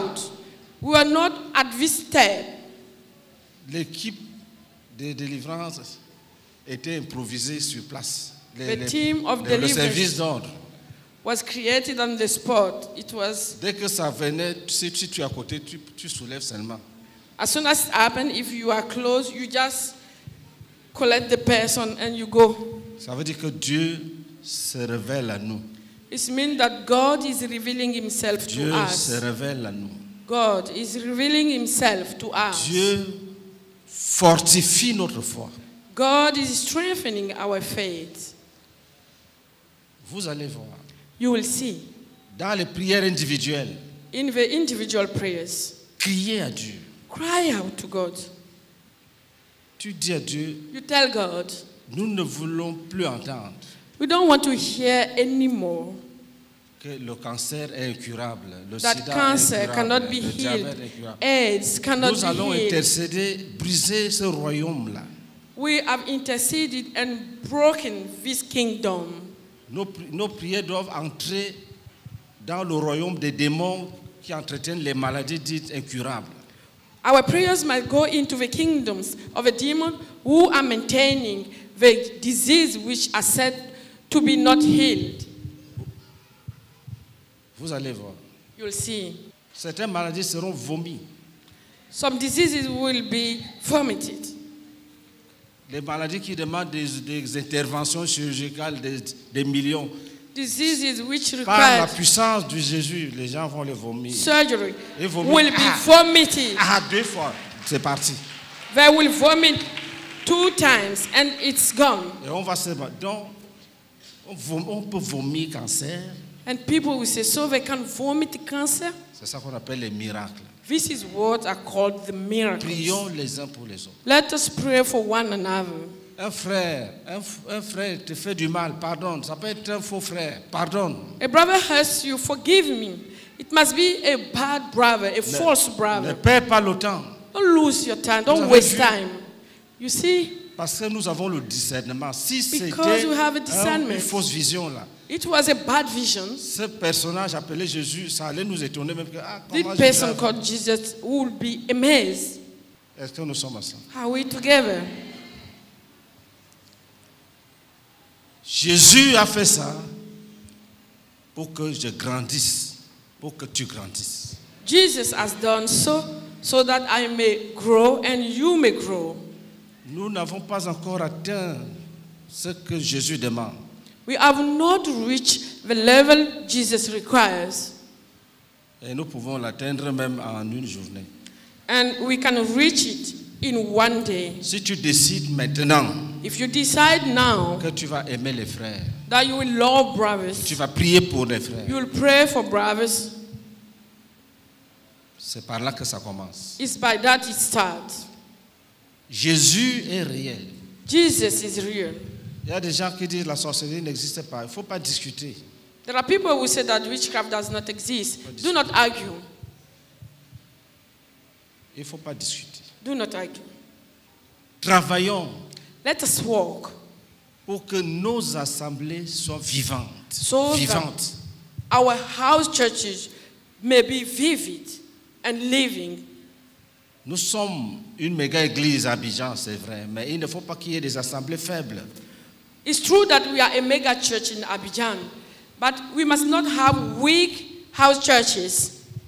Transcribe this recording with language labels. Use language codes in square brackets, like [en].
[en] Out. We were not at this step. [fr] L'équipe de délivrance était improvisée sur place. Le service d'ordre [en] was created on the spot. It was [fr] dès que ça venait, si tu es à côté, tu soulèves seulement. [en] As soon as it happened, if you are close, you just collect the person and you go. [fr] Ça veut dire que Dieu se révèle à nous. [en] It means that God is revealing himself [fr] Dieu [en] to us. [fr] Dieu se révèle à nous. [en] God is revealing himself to us. [fr] Dieu fortifie notre foi. [en] God is strengthening our faith. [fr] Vous allez voir. [en] You will see. [fr] Dans les prières individuelles. [en] In the individual prayers. [fr] Criez à Dieu. [en] Cry out to God. [fr] Tu dis à Dieu, [en] you tell God, [fr] nous ne voulons plus entendre. [en] We don't want to hear anymore. [fr] Que le cancer est incurable. Le [en] that [fr] sida [en] cancer [fr] est incurable, [en] cannot be healed. AIDS cannot [fr] nous [en] be healed. [fr] Nous allons intercéder, briser ce royaume-là. [en] We have interceded and broken this kingdom. [fr] Nos prières doivent entrer dans le royaume des démons qui entretiennent les maladies dites incurables. [en] Our prayers might go into the kingdoms of a demon who are maintaining the disease which are said to be not healed. [fr] Vous allez voir. [en] You'll see. [fr] Certaines maladies seront vomies. [en] Some diseases will be vomited. [fr] Les maladies qui demandent des interventions chirurgicales des millions. [en] Diseases which require [fr] par la puissance de Jésus, les gens vont les vomir. [en] Surgery [fr] et vomir. [en] Will be vomited. [fr] Ah, deux fois, c'est parti. [en] They will vomit two times and it's gone. [fr] Et on va se battre. Donc, on peut vomir cancer. [en] And people will say, so they can vomit cancer? [fr] C'est ça qu'on appelle les miracles. [en] This is what are called the miracles. [fr] Prions les uns pour les autres. [en] Let us pray for one another. [fr] Un frère te fait du mal, pardonne. Ça peut être un faux frère, pardonne. [en] A brother hurts you, forgive me. It must be a bad brother, a false brother. [fr] Ne perds pas le temps. [en] Don't lose your time, don't waste time. You see? [fr] Parce que nous avons le discernement. Si [en] because we have a discernment. [fr] Une fausse vision là. [en] It was a bad vision. [fr] Ce personnage appelé Jésus, ça allait nous étonner même que ah, comment [en] this person called Jesus would be amazed. [fr] Est-ce que nous sommes ensemble? [en] Are we together? [fr] Jésus a fait ça pour que je grandisse, pour que tu grandisses. [en] Jesus has done so that I may grow and you may grow. [fr] Nous n'avons pas encore atteint ce que Jésus demande. [en] We have not reached the level Jesus requires. [fr] Et nous pouvons l'atteindre même en une journée. [en] And we can reach it in one day. [fr] Si tu décides maintenant, [en] if you decide now, [fr] que tu vas aimer les frères, [en] that you will love brothers, [fr] tu vas prier pour les frères, [en] you will pray for brothers. [fr] C'est par là que ça commence. [en] It's by that it starts. [fr] Jésus est réel. [en] Jesus is real. [fr] Il y a des gens qui disent la sorcellerie n'existe pas. Il ne faut pas discuter. [en] There are people who say that witchcraft does not exist. Do not argue. [fr] Il ne faut pas discuter. [en] Do not argue. [fr] Travaillons. [en] Let us work. [fr] Pour que nos assemblées soient vivantes. [en] So [fr] vivantes. [en] That our house churches may be vivid and living. [fr] Nous sommes une méga église à Abidjan, c'est vrai. Mais il ne faut pas qu'il y ait des assemblées faibles. [en] It's true that we are a mega church in Abidjan, but we must not have weak house churches.